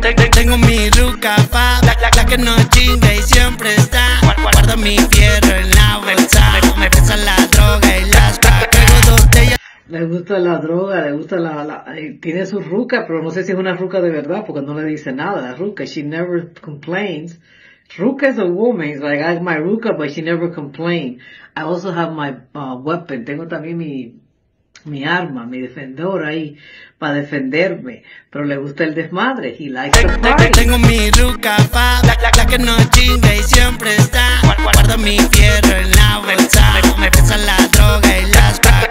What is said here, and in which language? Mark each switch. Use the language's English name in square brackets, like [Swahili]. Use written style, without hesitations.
[Spanish] Tengo mi ruca fab, la que no chinga y siempre está. Guardo mi fierro en la bolsa, me pesa la droga y las pacas. Le gusta la droga, le gusta la tiene su ruca, pero no sé si es una ruca de verdad, porque no le dice nada la ruca. [English] She never complains. Ruca is a woman. It's like, I got my ruca, but she never complained. I also have my weapon. [Spanish] Tengo también mi arma, mi defensor ahí para defenderme. Pero le gusta el desmadre. [English] He likes the party. [Spanish] Tengo mi ruca fab, la que no chinga y siempre está. Guardo mi fierro en la bolsa, me pesa la droga y las pacas.